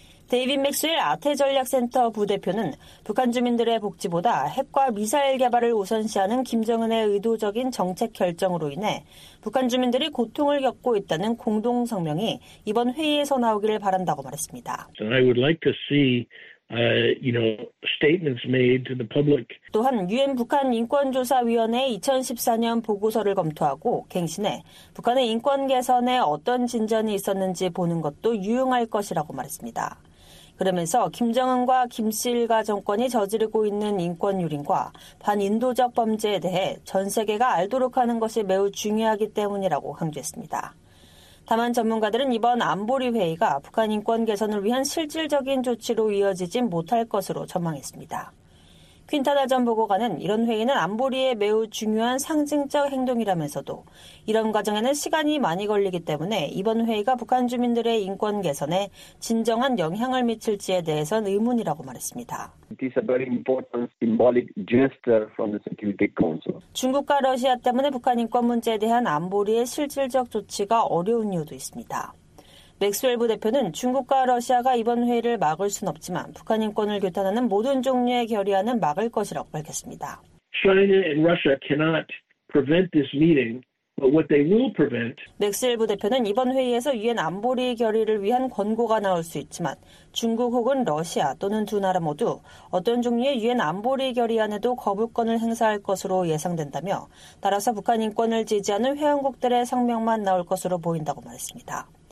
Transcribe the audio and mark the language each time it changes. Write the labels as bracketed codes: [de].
[ko] 데이빗 맥스웰 아태전략센터 부대표는 북한 주민들의 복지보다 핵과 미사일 개발을 우선시하는 김정은의 의도적인 정책 결정으로 인해 북한 주민들이 고통을 겪고 있다는 공동성명이 이번 회의에서 나오기를 바란다고 말했습니다. [en] So I would like to see, you know, statements made to the public. [ko] 또한 유엔 북한인권조사위원회의 2014년 보고서를 검토하고 갱신해 북한의 인권 개선에 어떤 진전이 있었는지 보는 것도 유용할 것이라고 말했습니다. 그러면서 김정은과 김씨 일가 정권이 저지르고 있는 인권유린과 반인도적 범죄에 대해 전 세계가 알도록 하는 것이 매우 중요하기 때문이라고 강조했습니다. 다만 전문가들은 이번 안보리 회의가 북한 인권 개선을 위한 실질적인 조치로 이어지진 못할 것으로 전망했습니다. 퀸타나 전 보고관은 이런 회의는 안보리에 매우 중요한 상징적 행동이라면서도 이런 과정에는 시간이 많이 걸리기 때문에 이번 회의가 북한 주민들의 인권 개선에 진정한 영향을 미칠지에 대해선 의문이라고 말했습니다. [en] This is a very important symbolic gesture from the Security Council. [ko] 중국과 러시아 때문에 북한 인권 문제에 대한 안보리의 실질적 조치가 어려운 이유도 있습니다. 맥스웰 부 대표는 중국과 러시아가 이번 회의를 막을 순 없지만 북한 인권을 규탄하는 모든 종류의 결의안은 막을 것이라고 밝혔습니다. [en] China and Russia cannot prevent this meeting, but what they will prevent. [ko] 맥스웰 부 대표는 이번 회의에서 유엔 안보리 결의를 위한 권고가 나올 수 있지만 중국 혹은 러시아 또는 두 나라 모두 어떤 종류의 유엔 안보리 결의안에도 거부권을 행사할 것으로 예상된다며 따라서 북한 인권을 지지하는 회원국들의 성명만 나올 것으로 보인다고 말했습니다.